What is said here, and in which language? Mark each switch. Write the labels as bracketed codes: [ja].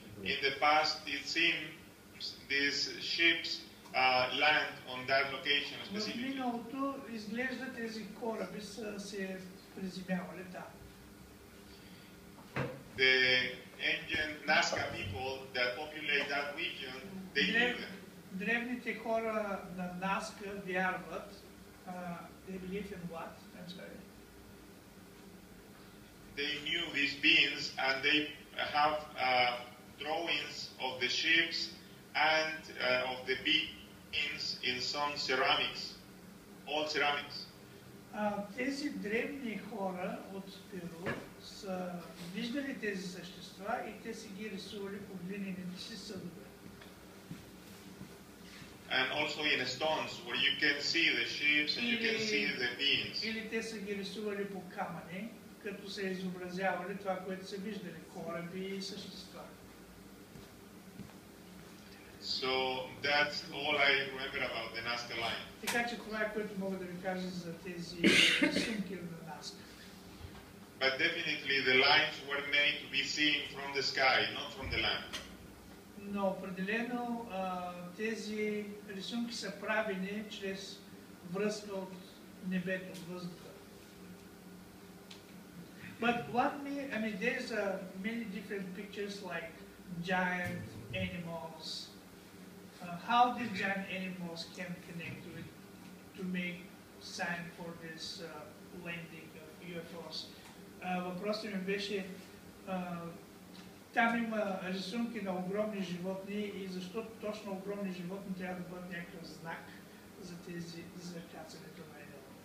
[en] In the past it seemed these ships land on that location specifically. [bg] В миналото изглежда тези кораби са се приземявали там. [en] the Indian Nazca people that populate that region, they live there. [bg] Древните хора на Nazca вярват. [en] They believe in what? I'm sorry. They knew these beings, and they have drawings of the ships and of the beings in some ceramics, old ceramics. [bg] Тези древни хора от Перу са виждали тези същества и те си ги рисували по глинените си съдове. [en] And also in stones where you can see the ships and you can see the beings. [bg] Или те са ги рисували по камъни, като са изобразявали това, което са виждали, кораби и същества. [en] So that's all I remember about the Nazca line. [bg] Така че това е, което мога да ви кажа за тези снимки на Nazca. [en] But definitely the lines were made to be seen from the sky, not from the land. [bg] Но определено тези рисунки са правени чрез връзка от небето, въздуха. [en] But what mean, I mean, there's many different pictures like giant animals. How did giant animals can connect with to make sign for this landing of UFOs? [bg] Въпросът ми беше, там има рисунки на огромни животни и защо точно огромни животни трябва да бъдат някакъв знак за тези кацането на едно?